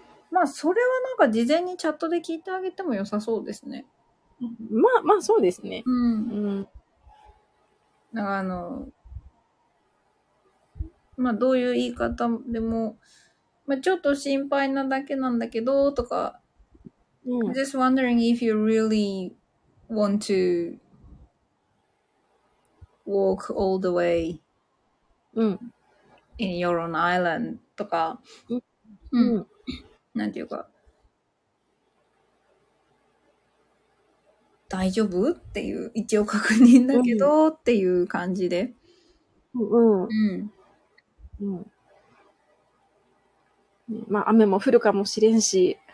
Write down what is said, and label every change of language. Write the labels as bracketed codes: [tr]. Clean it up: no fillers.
[ja] うん、まあそれはなんか事前にチャットで聞いてあげても良さそうですね。まあまあそうですね、うんうん、なんかあのまあどういう言い方でもまあ、ちょっと心配なだけなんだけどとか、うん、 [en] Just wondering if you really want to walk all the way、 [ja] うん、 [en] in your own island [ja] とか、うんうん、なんていうか大丈夫っていう一応確認だけど、うん、っていう感じで、うんうんうん、まあ、雨も降るかもしれんし。